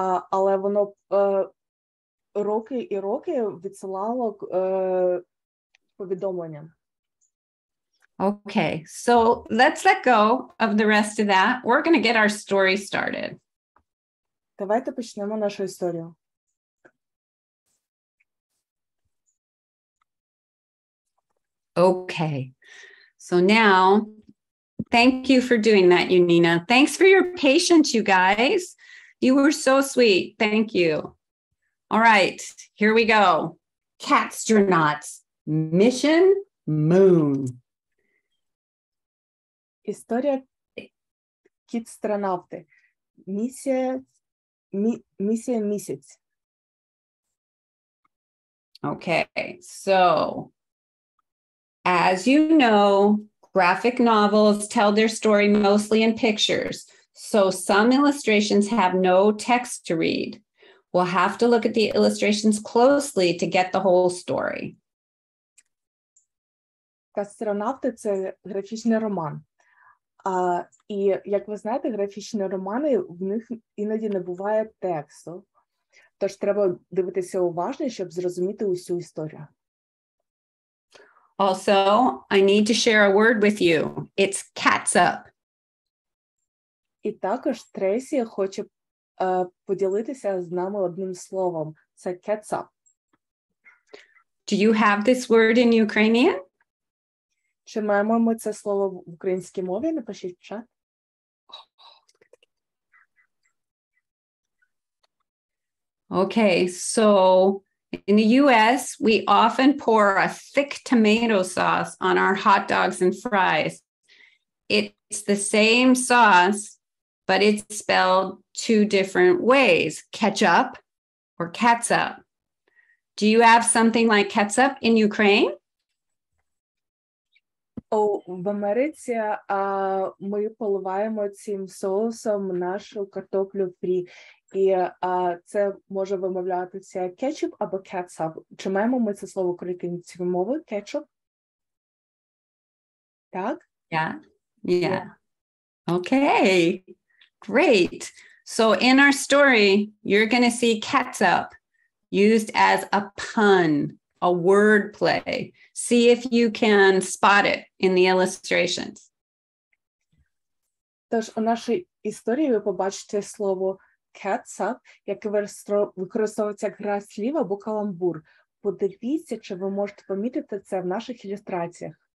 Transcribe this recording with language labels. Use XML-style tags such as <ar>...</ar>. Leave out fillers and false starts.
<uk>Але воно роки і роки відсилало повідомлення.</uk> <en>Okay, so let's let go of the rest of that. We're going to get our story started.</en> <uk>Давайте почнемо нашу історію.</uk> <en>Okay, so now, thank you for doing that, Юніна. Thanks for your patience, you guys. You were so sweet. Thank you. All right, here we go. CatStronauts, Mission Moon.</en> <uk>Історія кіт-странавти. Місія місяць.</uk> <en>Okay, so as you know, graphic novels tell their story mostly in pictures. So some illustrations have no text to read. We'll have to look at the illustrations closely to get the whole story.</en> <uk>Кіт-странавти – це графічний роман. І, як ви знаєте, графічні романи, в них іноді не буває тексту. Тож треба дивитися уважно, щоб зрозуміти усю історію.</uk> <en>Also, I need to share a word with you. It's catsup.</en> <uk>І також Трейсі хоче поділитися з нами одним словом. Це catsup.</uk> <en>Do you have this word in Ukrainian?</en> <uk>Чи маємо ми це слово в українській мові? Напишіть в чат.</uk> <en>Okay, so in the US, we often pour a thick tomato sauce on our hot dogs and fries. It's the same sauce, but it's spelled two different ways, ketchup or catsup. Do you have something like ketchup in Ukraine?</en> <uk>В Америці ми поливаємо цим соусом нашу картоплю фрі. І це може вимовлятися кетчуп або кетсап. Чи маємо ми це слово українською мовою? Кетчуп? Так?</uk> <en>Yeah. Okay, great. So in our story, you're going to see ketchup used as a pun. A word play. See if you can spot it in the illustrations.</en> <uk>Тож у нашій історії ви побачите слово catsup, яке використовується як гра слів або каламбур. Подивіться, чи ви можете помітити це в наших ілюстраціях.</uk>